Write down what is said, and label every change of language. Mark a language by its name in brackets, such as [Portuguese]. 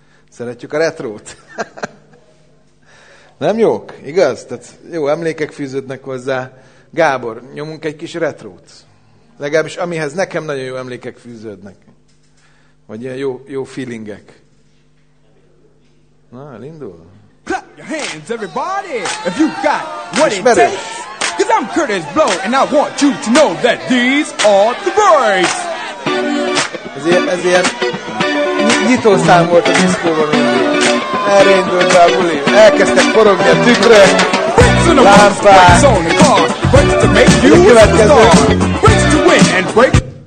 [Hungarian] Szeretjük a retrót? Nem jók, igaz? Tehát jó, emlékek fűződnek hozzá. Gábor, nyomunk egy kis retrót. Legalábbis amihez nekem nagyon jó emlékek fűződnek. Vagy ilyen jó feelingek. Na, elindul. [English] Clap your hands, everybody, if you got what it takes. 'Cause I'm Curtis Blow, and I want you to know that these are the boys. [Hungarian] Ez ilyen nyitószám volt a diszkóban. Elindult a buli, elkezdtek forogni a tükrök, lámpák. [English] Breaks to make you a star, breaks to win and break.